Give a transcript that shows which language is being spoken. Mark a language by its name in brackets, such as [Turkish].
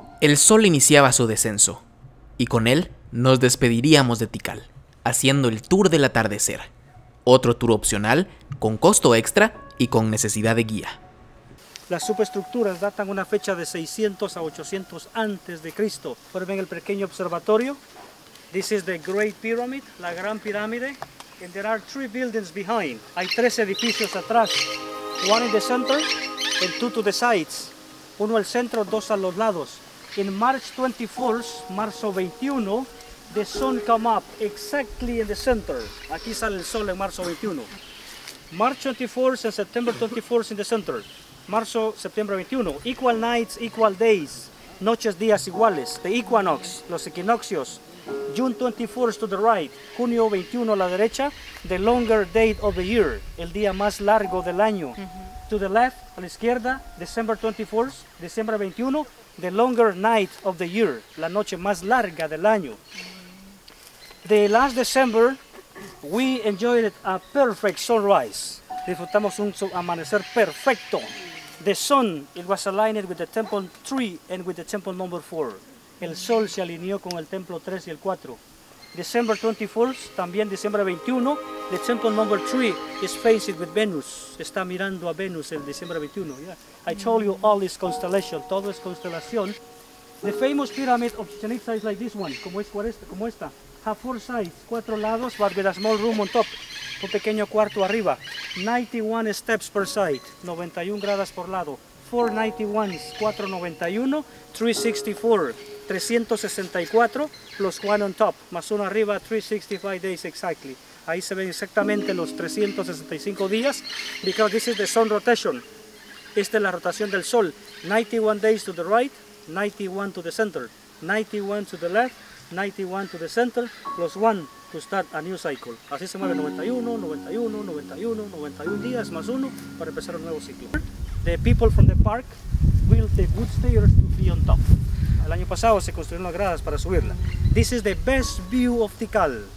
[Spanish] El sol iniciaba su descenso y con él nos despediríamos de Tikal, haciendo el tour del atardecer. Otro tour opcional, con costo extra y con necesidad de guía. Las superestructuras datan una fecha de 600 a 800 antes de Cristo. Pueden ver el pequeño observatorio. [English] This is the Great Pyramid, [Spanish] la Gran Pirámide. [English] And there are 3 buildings behind. [Spanish] Hay 3 edificios atrás. [English] One in the center and 2 to the sides. [Spanish] Uno al centro, 2 a los lados. [English] In March 24th, marzo 21, the sun come up exactly in the center. [Spanish] Aquí sale el sol en marzo 21. [English] March 24th and September 24th in the center. [Spanish] Marzo, septiembre 21. [English] Equal nights, equal days. [Spanish] Noches, días iguales. [English] The equinox, [Spanish] los equinoccios. [English] June 24th to the right. [Spanish] Junio 21 a la derecha. [English] The longer date of the year. [Spanish] El día más largo del año. Mm-hmm. [English] To the left, [Spanish] a la izquierda. [English] December 24th, [Spanish] diciembre 21. [English] The longer night of the year, [Spanish] la noche más larga del año. [English] The last December, we enjoyed a perfect sunrise. [Spanish] Disfrutamos un amanecer perfecto. [English] The sun, it was aligned with the temple 3 and with the temple number 4. [Spanish] El sol se alineó con el templo 3 y el 4. [English] December 24th, también December 21, the temple number 3 is facing with Venus. [Spanish] Está mirando a Venus el [English] December 21. Yeah. I told you all is constellation, [Spanish] todo es constelación. [English] The famous pyramid of Chichen Itza is like this one, [Spanish] como esta. [English] Have 4 sides, [Spanish] 4 lados, [English] but with a small room on top, [Spanish] un pequeño cuarto arriba. [English] 91 steps per side, [Spanish] 91 gradas por lado. 491, 491, 364. [English] 364 plus one on top, [Spanish] más uno arriba, [English] 365 days exactly. [Spanish] Ahí se ven exactamente los 365 días, [English] because this is the sun rotation. [Spanish] Esta es la rotación del sol. [English] 91 days to the right, 91 to the center, 91 to the left, 91 to the center, plus one to start a new cycle. [Spanish] Así se mueve 91, 91, 91, 91 días, más uno, para empezar un nuevo ciclo. [English] The people from the park will take wood stairs to be on top. [Spanish] El año pasado se construyeron las gradas para subirla. [English] This is the best view of Tikal.